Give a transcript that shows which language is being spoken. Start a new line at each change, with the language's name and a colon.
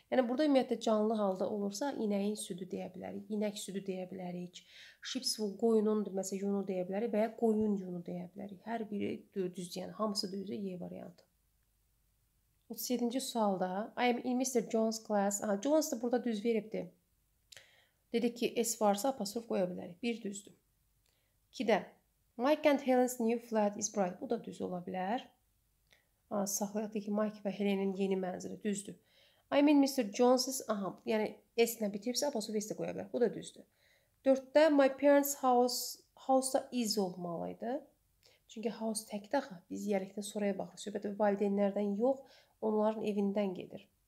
Azerbaijani: Yəni, burada ümumiyyətlə canlı halda olursa, inəyin südü deyə bilərik, inək südü deyə bilərik, ships full qoyunun, məsələn, yunu deyə bilərik və ya qoyun yunu deyə bilərik. Hər biri düz, yəni, hamısı düzdür, Y variantı. 37-ci sualda,
English: I am in Mr. Jones' class.
Azerbaijani: Aha, Jones da burada düz veribdir. Dedi ki, S varsa, apostrof qoya bilərik. Bir düzdür.
English: 2-də, Mike and Helen's new flat is bright.
Azerbaijani: Bu da düz ola bilər. Saxlayıq deyək ki, Mike və Helen'in yeni mənzili düzdür.
English: I mean Mr.
Azerbaijani: Jones's, aha, yəni S ilə bitiribsə, apostrof S də qoya bilər. Bu da düzdür. 4-də
English: my parents house
Azerbaijani: da is olmalıydı. Çünki house təkdə axı, biz yerlikdə sonraya baxırıq. Söhbət valideynlərdən yox, onların evindən gedir.